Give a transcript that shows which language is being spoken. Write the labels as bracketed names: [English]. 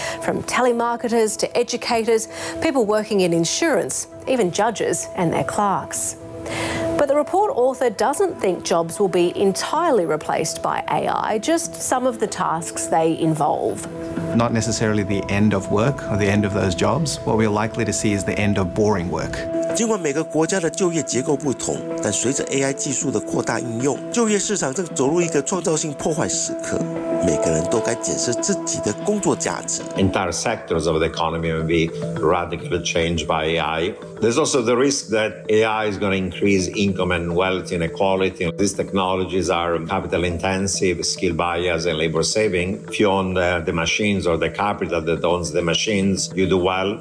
[English] From telemarketers to educators, people working in insurance, even judges and their clerks. But the report author doesn't think jobs will be entirely replaced by AI, just some of the tasks they involve. Not necessarily the end of work or the end of those jobs. What we're likely to see is the end of boring work. [Chinese] 尽管每个国家的就业结构不同，但随着 AI 技术的扩大应用，就业市场正走入一个创造性破坏时刻。每个人都该检视自己的工作价值。 [English] Entire sectors of the economy will be radically changed by AI. There's also the risk that AI is going to increase income and wealth inequality. These technologies are capital intensive, skill bias and labor saving. If you own the machines or the capital that owns the machines, you do well.